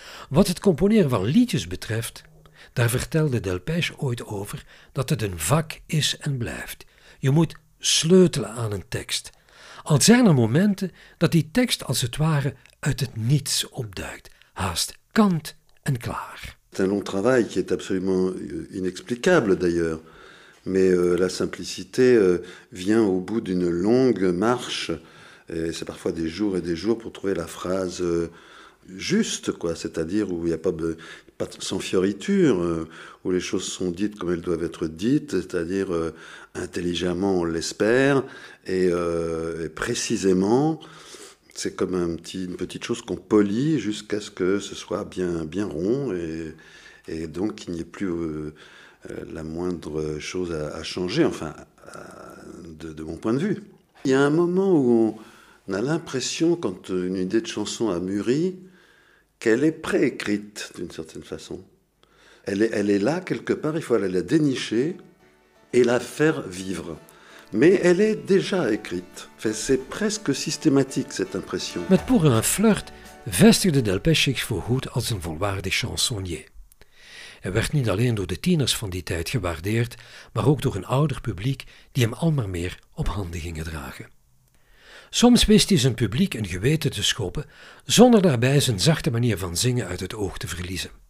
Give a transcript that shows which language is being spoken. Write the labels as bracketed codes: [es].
[nl] Wat het componeren van liedjes betreft, daar vertelde Delpech ooit over dat het een vak is en blijft. Je moet sleutelen aan een tekst. Al zijn er momenten dat die tekst als het ware uit het niets opduikt, haast kant en klaar. [fr] C'est un long travail qui est absolument inexplicable d'ailleurs, mais la simplicité vient au bout d'une longue marche et c'est parfois des jours et des jours pour trouver la phrase juste quoi, c'est-à-dire où il y a pas sans fioritures, où les choses sont dites comme elles doivent être dites, c'est-à-dire intelligemment, on l'espère, et précisément, c'est comme une petite chose qu'on polie jusqu'à ce que ce soit bien, bien rond, et donc qu'il n'y ait plus la moindre chose à changer, enfin, de mon point de vue. Il y a un moment où on a l'impression, quand une idée de chanson a mûri, qu'elle est préécrite d'une certaine façon. Elle est là quelque part, il faut aller la dénicher et la faire vivre. Mais elle est déjà écrite. Enfin, c'est presque systématique cette impression. [nl] Maar pour un flirt vestigde Delpech zich voorgoed als een volwaardig chansonnier. Hij werd niet alleen door de tieners van die tijd gewaardeerd, maar ook door een ouder publiek die hem al maar meer op handen gingen dragen. Soms wist hij zijn publiek een geweten te schoppen, zonder daarbij zijn zachte manier van zingen uit het oog te verliezen.